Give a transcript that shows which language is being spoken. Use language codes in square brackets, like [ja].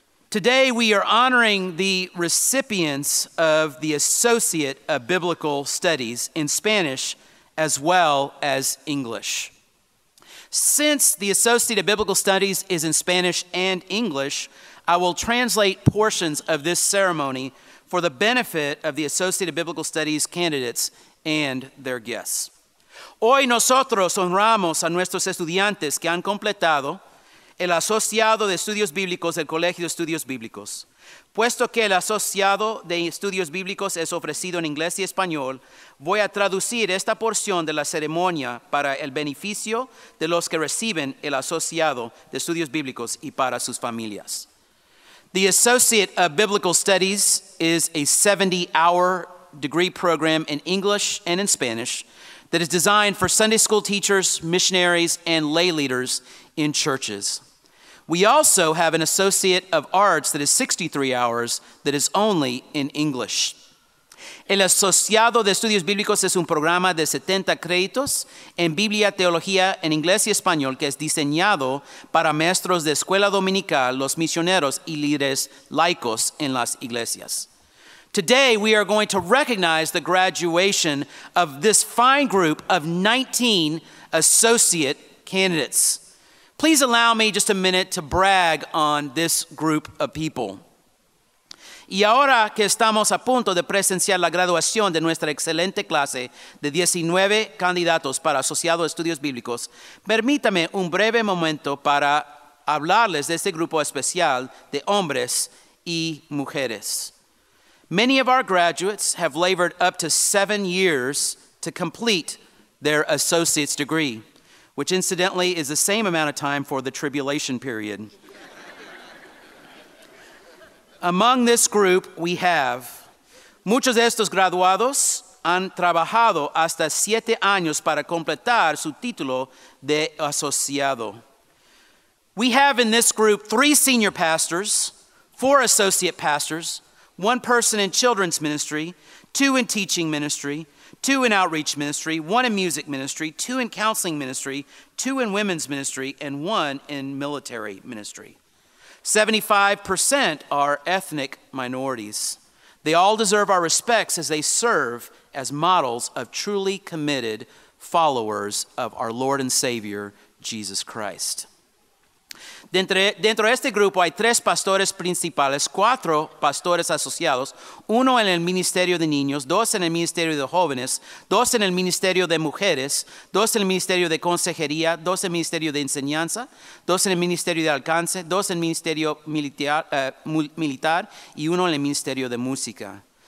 [en] Today we are honoring the recipients of the Associate of Biblical Studies in Spanish as well as English. Since the Associate of Biblical Studies is in Spanish and English, I will translate portions of this ceremony for the benefit of the Associate of Biblical Studies candidates and their guests. [es] Hoy nosotros honramos a nuestros estudiantes que han completado el Asociado de Estudios Bíblicos del Colegio de Estudios Bíblicos. Puesto que el Asociado de Estudios Bíblicos es ofrecido en inglés y español, voy a traducir esta porción de la ceremonia para el beneficio de los que reciben el Asociado de Estudios Bíblicos y para sus familias. [en] The Associate of Biblical Studies is a 70-hour degree program in English and in Spanish that is designed for Sunday school teachers, missionaries, and lay leaders in churches. We also have an Associate of Arts that is 63 hours that is only in English. [es] El Asociado de Estudios Bíblicos es un programa de 70 créditos en Biblia, Teología, en Inglés y Español que es diseñado para maestros de escuela dominical, los misioneros y líderes laicos en las iglesias. [en] Today we are going to recognize the graduation of this fine group of 19 associate candidates. Please allow me just a minute to brag on this group of people. [es] Y ahora que estamos a punto de presenciar la graduación de nuestra excelente clase de 19 candidatos para Asociado de Estudios Bíblicos, permítame un breve momento para hablarles de este grupo especial de hombres y mujeres. [en] Many of our graduates have labored up to 7 years to complete their associate's degree, which incidentally is the same amount of time for the tribulation period. Among this group, we have [es] muchos de estos graduados han trabajado hasta 7 años para completar su título de asociado. [en] We have in this group 3 senior pastors, 4 associate pastors, 1 person in children's ministry, 2 in teaching ministry, 2 in outreach ministry, 1 in music ministry, 2 in counseling ministry, 2 in women's ministry, and 1 in military ministry. 75% are ethnic minorities. They all deserve our respects as they serve as models of truly committed followers of our Lord and Savior, Jesus Christ. [es] Dentro de este grupo hay 3 pastores principales, 4 pastores asociados, 1 en el Ministerio de Niños, 2 en el Ministerio de Jóvenes, 2 en el Ministerio de Mujeres, 2 en el Ministerio de Consejería, 2 en el Ministerio de Enseñanza, 2 en el Ministerio de Alcance, 2 en el Ministerio Militar y 1 en el Ministerio de Música.